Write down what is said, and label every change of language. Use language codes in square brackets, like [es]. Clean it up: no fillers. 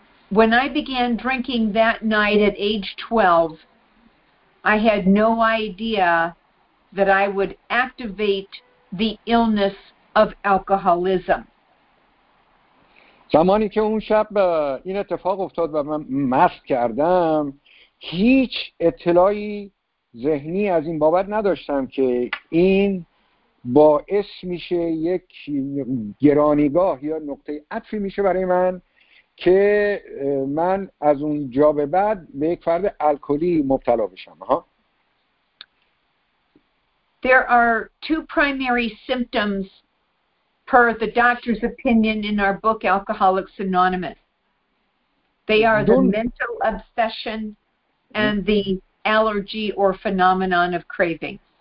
[en] When I began drinking that night at age 12, I had no idea that I would activate the illness of alcoholism. [fa] زمانی که اون شب این اتفاق افتاد و من مست کردم، هیچ اطلاعی ذهنی از این بابت نداشتم که این باعث میشه یک گرانیگاه یا نقطه عطفی میشه برای من که من از اون جا به بعد به یک فرد الکلی مبتلا بشم. ها؟ [en] There are two primary symptoms per the doctor's opinion in our book Alcoholics Anonymous. They are the mental obsession and the allergy or phenomenon of craving.